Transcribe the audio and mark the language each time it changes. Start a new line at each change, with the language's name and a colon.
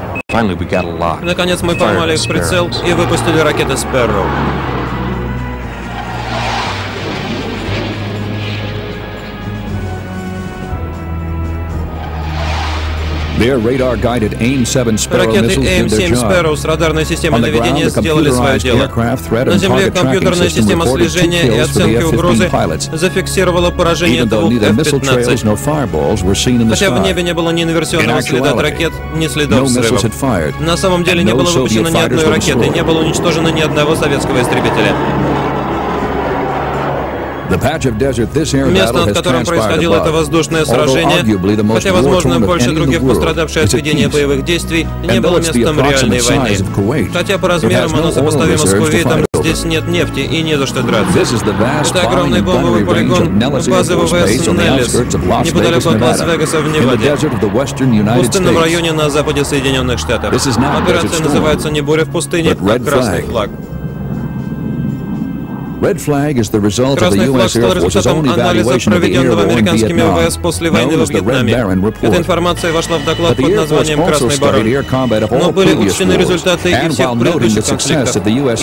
English: Finally, we got a lock, fired the Sparrows, and released the Sparrows. Their radar-guided AIM-7 Sparrow missiles did their job.
Russian: Radarной системой наведения сделали своё дело. На земле компьютерная система слежения и оценки угрозы зафиксировала поражение двух F-15. Хотя в небе не было ни инверсионного следа от ракет, ни следов взрывов. На самом деле не было выпущено ни одной ракеты, не было уничтожено ни одного советского истребителя.
English: The patch of desert this air battle has transpired above, although arguably the most war-torn of any in the world, is at peace. And though it's the approximate size of Kuwait, it has no oil reserves to fight over.
Russian: Здесь нет нефти и не за что драться. Это огромный бомбовый полигон базы ВВС Неллис, неподалеку от Лас-Вегаса в Неваде, в пустынном районе на западе Соединенных Штатов. Операция называется не буря в пустыне, а красный флаг.
English: Red Flag is the result of the U.S. Air Force's own evaluation of the air war in Vietnam, known as the Red Baron Report. But the Air Force also studied air combat of all previous wars, and while noting the success of the U.S.